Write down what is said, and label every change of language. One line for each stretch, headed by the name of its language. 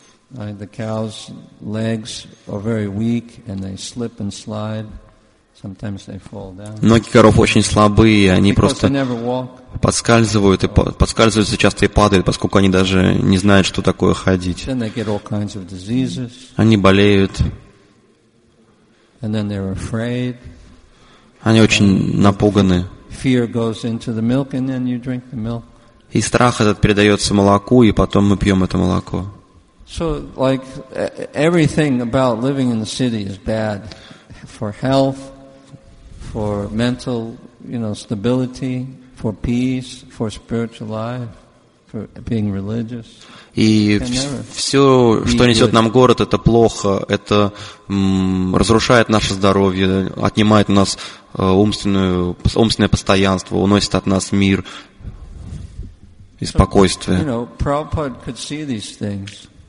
English: The cows' legs are very weak, and they slip and slide. Sometimes they fall down.
Russian: Ноги коров очень слабые, они просто подскальзывают и подскальзываются часто и падают, поскольку они даже не знают, что такое ходить.
English: Then they get all kinds of diseases.
Russian: Они болеют.
English: And then they're afraid.
Russian: Они очень напуганы.
English: Fear goes into the milk, and then you drink the milk.
Russian: И страх этот передается молоку, и потом мы пьем это молоко.
English: So, like everything about living in the city is bad for health, for mental, you know, stability, for peace, for spiritual life, for being religious.
Russian: И все, что несет нам город, это плохо. Это разрушает наше здоровье, отнимает у нас умственное постоянство, уносит от нас мир и спокойствие.
English: You know, Prabhupada could see these things.